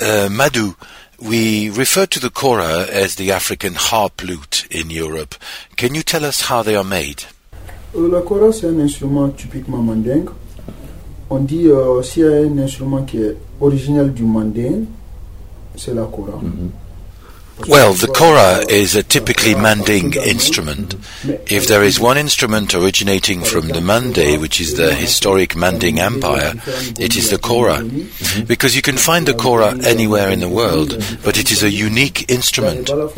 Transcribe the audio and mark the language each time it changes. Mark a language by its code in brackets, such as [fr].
[en] Madou, we refer to the kora as the African harp lute in Europe. Can you tell us how they are made? [fr] La kora, c'est un instrument typiquement mandingue. On dit aussi un instrument qui est original du mandingue, c'est la kora. [en] Well, the kora is a typically Mandingue instrument. If there is one instrument originating from the Mande, which is the historic Mandingue Empire, it is the kora. Because you can find the kora anywhere in the world, but it is a unique instrument.